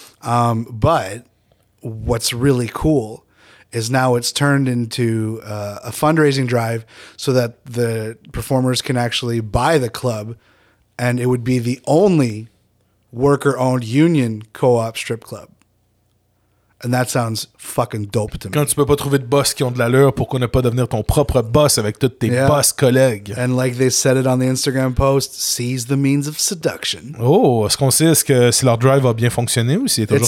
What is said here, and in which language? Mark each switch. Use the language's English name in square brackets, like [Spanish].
[English] But what's really cool is now it's turned into a fundraising drive so that the performers can actually buy the club and it would be the only worker-owned union co-op strip club. And that sounds fucking dope to me. [French] Quand tu peux pas trouver de boss qui ont de l'allure, pourquoi ne pas devenir ton propre boss avec tous tes boss collègues? [English] And like they said it on the Instagram post, seize the means of seduction. [French] Oh, est-ce qu'on sait si leur drive a bien fonctionné ou s'il est toujours